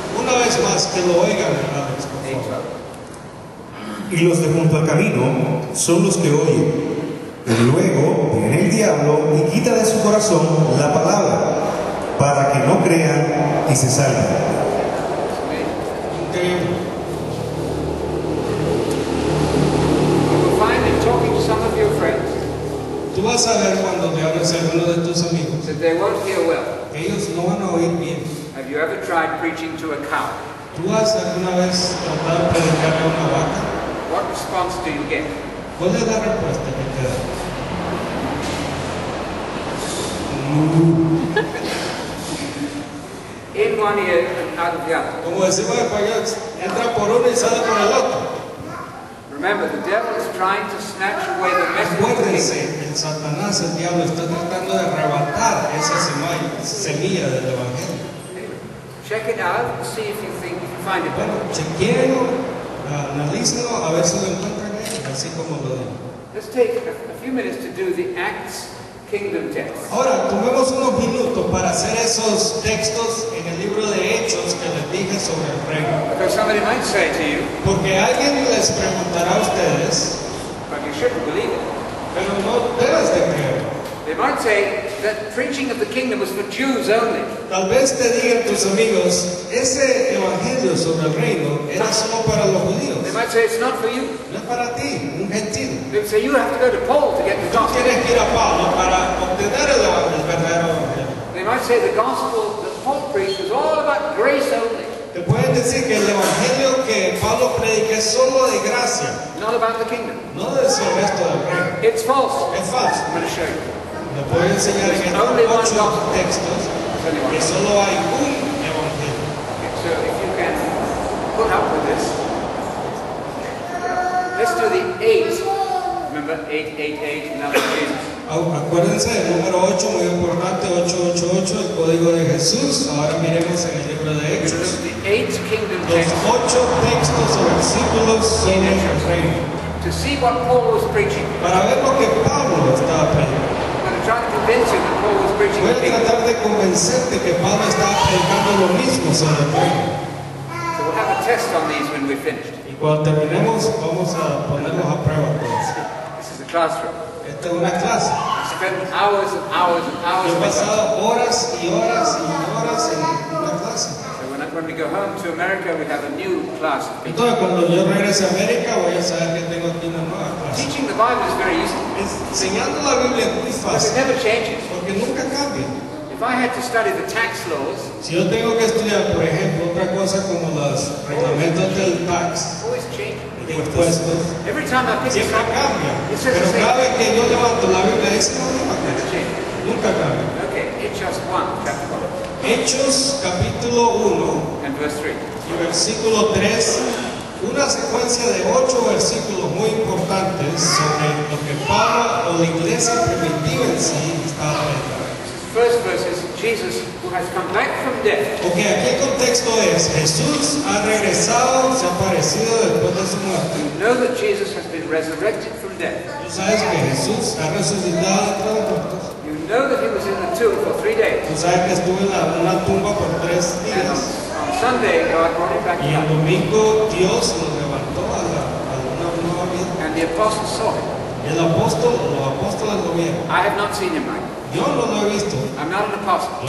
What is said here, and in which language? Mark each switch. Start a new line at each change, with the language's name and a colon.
Spanish: Una vez más, que lo oigan, Alex, por favor. 8, 12. Y los de junto al camino son los que oyen. Y luego viene el diablo y quita de su corazón la palabra para que no crean y se salven.
English: You will find in talking to some of your friends.
Spanish: Tú vas a ver cuando te hables a alguno de tus amigos.
English: That they won't hear well.
Spanish: Ellos no van a oír bien.
English: Have you ever tried preaching to a cow?
Spanish: ¿Tú has alguna vez tratado de predicar a una vaca?
English: What response do you get?
Spanish: ¿Cuál es la respuesta que te da?
English: In one ear and out of the other.
Spanish: Como decimos en español, entra por uno y sale por el otro.
English: Remember, the devil is trying to snatch away the message.
Spanish: Acuérdense, el Satanás, el diablo, está tratando de arrebatar esa semilla del evangelio.
English: Check it out, see if you think you can find it.
Spanish: Bueno, chequéenlo, analícenlo, a ver si lo encuentran ahí, así como lo digo.
English: Let's take a few minutes to do the Acts Kingdom text.
Spanish: Ahora, tomemos unos minutos para hacer esos textos en el libro de Hechos que les dije sobre el reino.
English: Because somebody might say to you,
Spanish: porque alguien les preguntará a ustedes,
English: but you shouldn't believe it.
Spanish: Pero no debes de creer.
English: They might say that preaching of the kingdom was for Jews only.
Spanish: Tal vez te digan tus amigos, ese evangelio sobre el reino era solo para los judíos.
English: They might say it's not for you.
Spanish: No es para ti, un gentil.
English: They would say you have to go to Paul to get the gospel.
Spanish: Tú tienes que ir a Pablo para obtener el verdadero evangelio.
English: They might say the gospel that Paul preached is all about grace only.
Spanish: Te pueden decir que el evangelio que Pablo predica es solo de gracia.
English: Not about the kingdom.
Spanish: No de eso, el resto del reino.
English: It's false.
Spanish: Es falso.
English: I'm going to show you.
Spanish: Me puede enseñar en estos 8 textos que solo hay un evangelio.
English: Okay, so if you can put up with this. Let's do the 8. Remember 8, 8, 8, number 8.
Spanish: Acuérdense del número 8, muy importante, 888, el código de Jesús. Ahora miremos en el libro de Hechos. Los ocho textos o versículos son el reino.
English: To see what Paul was preaching.
Spanish: Para ver lo que Pablo estaba predicando. Voy a tratar de convencerte que Pablo estaba predicando lo mismo sobre el reino.
English: So we'll have a test on these when we're finished.
Spanish: Y cuando terminemos, vamos a ponerlos a prueba.
English: This is a classroom.
Spanish: Esta es una clase.
English: Spent hours and hours and hours.
Spanish: Yo he pasado horas y horas y horas en una clase.
English: When we go home to America, we have a new class.
Spanish: Entonces, cuando yo regrese a América, voy a saber que tengo aquí una nueva clase.
English: Teaching the Bible is very easy.
Spanish: Enseñando la Biblia es muy fácil.
English: But it never changes.
Spanish: Porque nunca cambia.
English: If I had to study the tax laws,
Spanish: si yo tengo que estudiar, por ejemplo, otra cosa como los reglamentos del tax,
English: always change.
Spanish: Impuestos.
English: Every time I pick
Spanish: siempre cambia. Pero
English: the
Spanish: cada vez que yo levanto la Biblia, es como no cambia.
English: Never change.
Spanish: Nunca cambia.
English: Okay, it's just one chapter.
Spanish: Hechos capítulo 1
English: and verse 3.
Spanish: Y versículo 3, una secuencia de 8 versículos muy importantes sobre lo que Pablo o la iglesia primitiva en sí estaba hablando.
English: First verse is Jesus who has come back from death.
Spanish: Okay, aquí el contexto es Jesús ha regresado, se ha aparecido después de su muerte.
English: You know that Jesus has been resurrected from death.
Spanish: ¿Tú sabes que Jesús ha resucitado de los muertos?
English: You know that he was in the tomb for 3 days.
Spanish: ¿Tú sabes que estuvo en una tumba por 3 días?
English: And on Sunday, God brought him back.
Spanish: Y el domingo Dios lo levantó a una nueva vida.
English: And the apostles saw him.
Spanish: El apóstol, los apóstoles lo vieron.
English: I have not seen him, Mike.
Spanish: Yo no lo he visto.
English: I'm not an apostle.